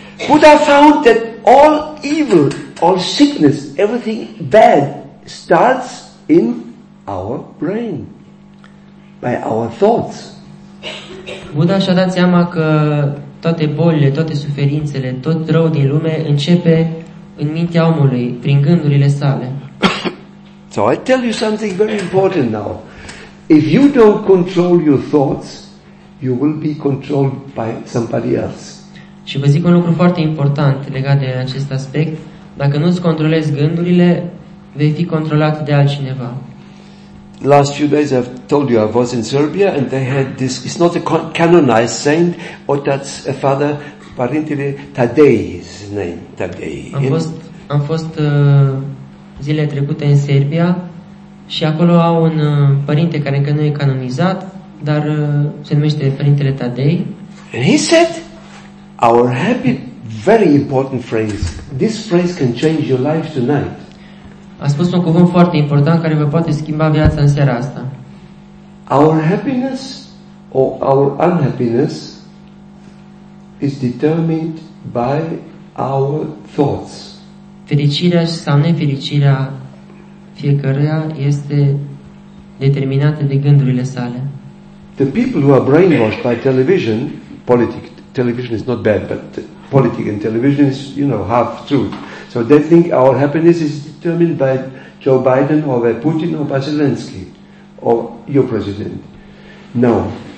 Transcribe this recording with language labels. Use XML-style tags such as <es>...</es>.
<en>Buddha found that all evil, all sickness, everything bad starts in our brain, by our thoughts.</en> <ro>Buddha și-a dat seama că toate bolile, toate suferințele, tot rău din lume începe în mintea omului, prin gândurile sale.</ro> <en>So I tell you something very important now. If you don't control your thoughts, you will be controlled by somebody else.</en> <ro>Și vă zic un lucru foarte important legat de acest aspect. Dacă nu îți controlezi gândurile, vei fi controlat de altcineva.</ro> <en>Last few days I've told you I was in Serbia and they had this, it's not a canonized saint, but that's a father, Părintele Tadei, his name, Tadei.</en> <ro>Am fost zile trecute în Serbia și acolo au un părinte care încă nu e canonizat, dar se numește Părintele Tadei.</ro> <en>And he said our happy, very important phrase. This phrase can change your life tonight.</en> <ro>A spus un cuvânt foarte important care vă poate schimba viața în seara asta.</ro> <en>Our happiness or our unhappiness is determined by our thoughts.</en> <ro>Fericirea sau nefericirea fiecăruia este determinată de gândurile sale.</ro> <en>The people who are brainwashed by television, politics, television is not bad, but politics and television is, you know, half truth. So they think our happiness is determined by Joe Biden or by Putin or by Zelensky or your president. No.</en>